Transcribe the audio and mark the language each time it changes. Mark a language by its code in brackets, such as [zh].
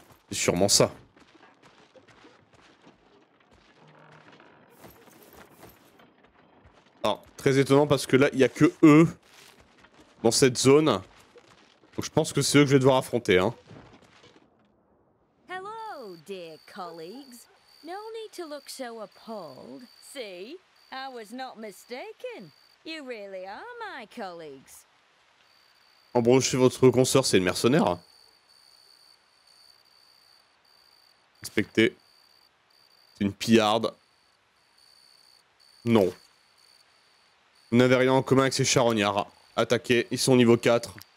[fr] C'est sûrement ça. Alors, très étonnant parce que là, il n'y a que eux dans cette zone. Donc je pense que c'est eux que je vais devoir affronter, hein. [en] Hello, dear colleagues. No need to look so appalled. See, I was not mistaken. You really are my colleagues. [fr] Embrochez votre consoeur, c'est une mercenaire. Respectez. C'est une pillarde. Non. Vous n'avez rien en commun avec ces charognards. Attaquez, ils sont niveau 4.